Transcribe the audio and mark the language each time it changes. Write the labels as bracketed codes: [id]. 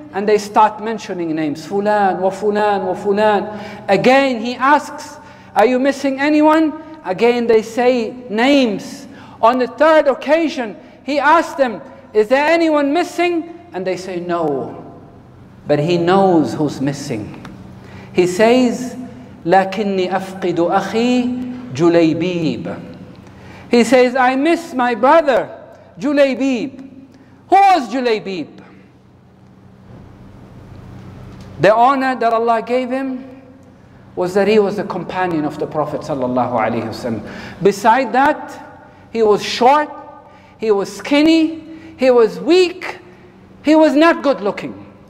[en] And they start mentioning names, Fulan, wa Fulan, wa Fulan. Again he asks, are you missing anyone? Again they say names. On the third occasion, he asks them, is there anyone missing? And they say no. But he knows who's missing. He says, [ar] لكني أفقد أخي جليبيب. [en] He says, I miss my brother, جليبيب. Who was جليبيب? The honor that Allah gave him was that he was a companion of the Prophet sallallahu alaihi wasallam. Beside that, he was short, he was skinny, he was weak, he was not good looking.